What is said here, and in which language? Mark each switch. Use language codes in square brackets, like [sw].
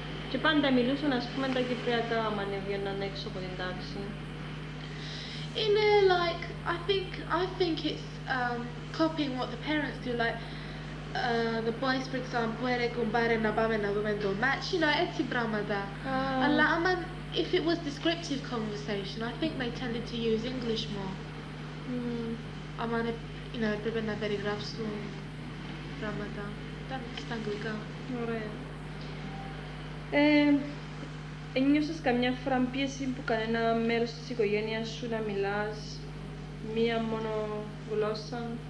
[el] και πάντα μιλούσαν, ας πούμε, τα Κυπριακά άμα ανέβαιναν έξω από την τάξη. Είναι, [en] like, I think it's copying what the parents do, like, the boys, for example, [el] ρε κουμπάρε να πάμε να δούμε το match, [en] you know, [el] έτσι πράγματα. Αλλά άμα, [en] if it was descriptive conversation, I think they tended to use English more. [el] Άμα, [en] you know, [el] έπρεπε να περιγράψουν πράγματα, ήταν στα αγγλικά. Ωραία. Ένιωσες καμιά φορά πίεση που κανένα μέρος της οικογένειας σου να μιλάς μία μόνο γλώσσα?